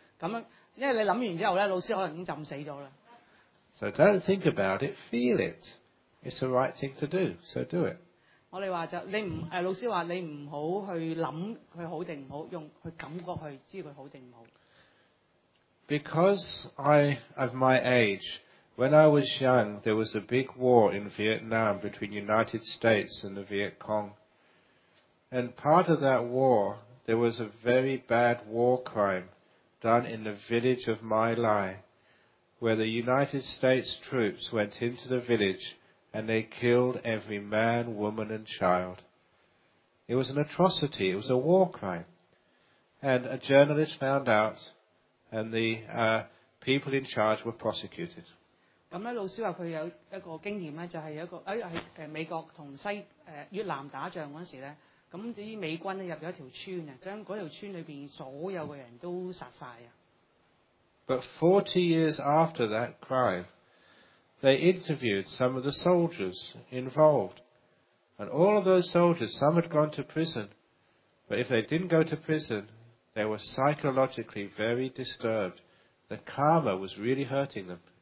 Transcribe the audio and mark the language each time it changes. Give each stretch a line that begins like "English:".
Cantonese: 咁因為你諗完之後咧，老師可能已經浸死咗啦。
English: So don't think about it, feel it. It's the right thing to do, so do it.
Cantonese: 我哋話就你唔老師話你唔好去諗佢好定唔好，用去感覺去知佢好定唔好。
English: Because I of my age, when I was young, there was a big war in Vietnam between United States and the Viet Cong. And part of that war, there was a very bad war crime done in the village of My Lai, where the United States troops went into the village and they killed every man, woman and child. It was an atrocity. It was a war crime. And a journalist found out,And the people in charge were prosecuted.
Cantonese: 咁咧，老師話佢有一個經驗咧，就係一個喺美國同西越南打仗嗰時咧，咁啲美軍咧入咗一條村啊，將嗰條村裏邊所有嘅人都殺曬啊。
English: But 40 years after that crime, they interviewed some of the soldiers involved, and all of those soldiers, some had gone to prison, but if they didn't go to prison. They were psychologically very disturbed. The karma was really hurting them.